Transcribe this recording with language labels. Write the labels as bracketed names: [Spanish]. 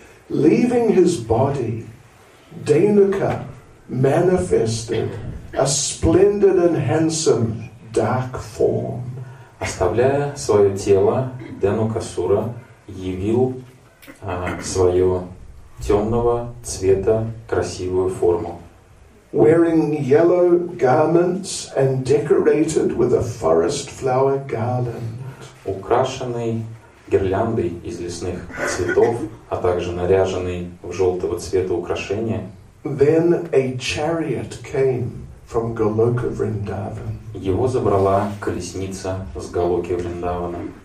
[English] Leaving his body, Dainuka manifested a splendid and handsome dark form. [Russian] Оставляя свое тело, Денукасура явил свое темного цвета красивую форму. [English] Wearing yellow garments and decorated with a forest flower garland. [Russian] Украшенный гирляндой из лесных цветов, а также наряженный в желтого цвета украшения. [English] Then a chariot came from Goloka Vrindavan. [Russian] Его забрала колесница с Голоки Вриндавана.